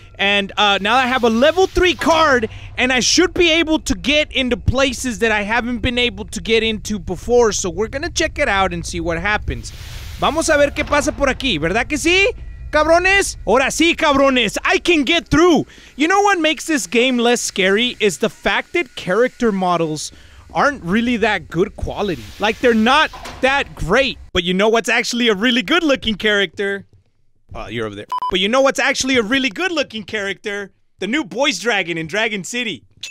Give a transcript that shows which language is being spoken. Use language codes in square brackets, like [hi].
[en] And now I have a level 3 card, and I should be able to get into places that I haven't been able to get into before. So we're gonna check it out and see what happens. [es] Vamos a ver qué pasa por aquí, ¿verdad que sí, cabrones? Ahora sí, cabrones, [en] I can get through. You know what makes this game less scary is the fact that character models aren't really that good quality. Like, they're not that great. But you know what's actually a really good looking character? You're over there. But you know what's actually a really good looking character? The new boys dragon in Dragon City.